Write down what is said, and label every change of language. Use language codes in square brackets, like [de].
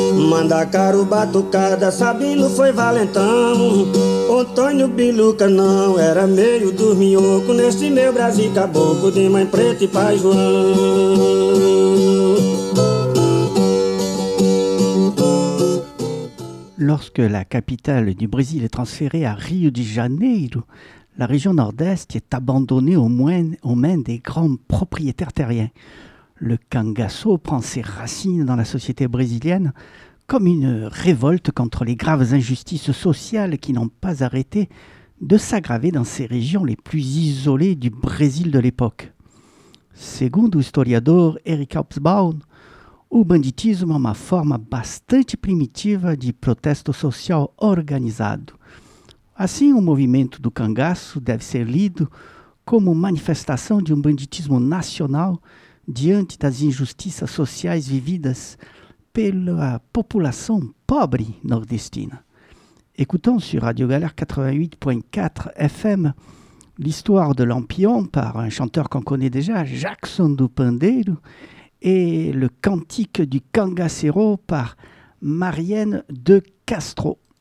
[pt] Mandacaru, batucada, Sabino foi valentão, Antônio Biluca não, era meio do minhoco, nesse meu Brasil caboclo, de mãe preta e pai João. [fr] Lorsque la capitale du Brésil est transférée à Rio de Janeiro, la région nord-est est abandonnée aux mains des grands propriétaires terriens. Le cangaço prend ses racines dans la société brésilienne comme une révolte contre les graves injustices sociales qui n'ont pas arrêté de s'aggraver dans ces régions les plus isolées du Brésil de l'époque. [pt] Segundo o historiador Eric Hobsbawm, o banditismo é uma forma bastante primitiva de protesto social organizado. Assim, o movimento do cangaço deve ser lido como manifestação de um banditismo nacional diante das injustiças sociais vividas pela população pobre nordestina. [fr] Écoutons sur Radio Galère 88.4 FM l'histoire de Lampion par un chanteur qu'on connaît déjà, Jackson do Pandeiro, et le cantique du Cangaceiro par Marianne de Castro.